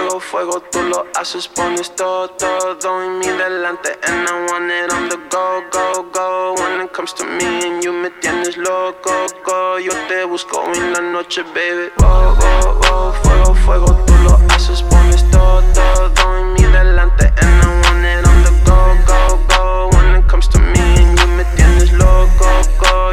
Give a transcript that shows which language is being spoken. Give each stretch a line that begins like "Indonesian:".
Spanish: Fuego, tú lo haces, pones todo, todo en mi delante.
English: And I want it on the go, go, go. When it comes to me and you,
Spanish: me tienes loco,
English: go.
Spanish: Yo te busco en la noche, baby. Oh, oh, oh, fuego, fuego, tú lo haces, pones todo, todo en mi delante.
English: And I want it on the go, go, go. When it comes to me and you,
Spanish: me tienes loco,
English: go.